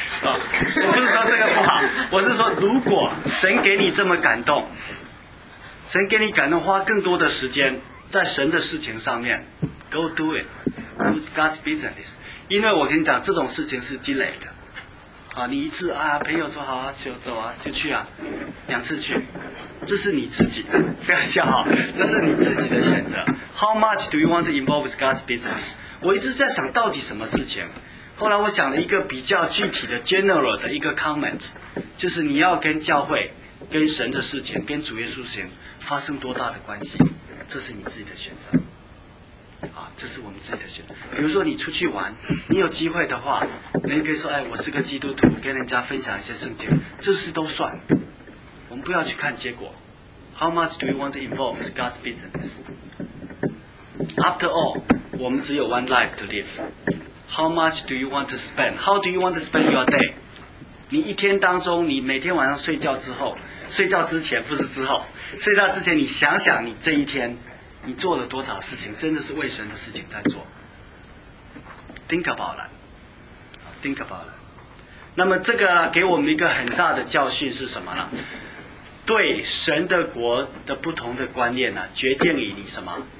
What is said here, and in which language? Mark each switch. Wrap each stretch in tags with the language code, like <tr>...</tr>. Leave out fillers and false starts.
<zh>哦，我不是说这个不好，我是说如果神给你这么感动，神给你感动花更多的时间在神的事情上面，</zh> <en>Go do it， do God's business。</en> <zh>因为我跟你讲，这种事情是积累的啊，你一次啊，朋友说好啊，就走啊，就去啊，两次去，这是你自己，不要笑哈，这是你自己的选择。</zh> <en>How much do you want to involve with God's business？</en> <zh>我一直在想到底什么事情，后来我想了一个比较具体的 general 的一个 comment， 就是你要跟教会、跟神的事情、跟主耶稣的事情发生多大的关系，这是你自己的选择。啊，这是我们自己的选择。比如说你出去玩，你有机会的话，你可以说，哎，我是个基督徒，跟人家分享一些圣经，这事都算。我们不要去看结果。</zh> <en>How much do you want to involve with God's business? After all,</en> <zh>我们只有</zh> <en>one life to live. How much do you want to spend? How do you want to spend your day?</en> <zh>你一天当中，你每天晚上睡觉之后，睡觉之前不是之后，睡觉之前你想想你这一天你做了多少事情，真的是为神的事情在做。</zh> <en>Think about it. Think about it.</en> <zh>那么这个给我们一个很大的教训是什么呢？对神的国的不同的观念呢，决定于你什么？</zh>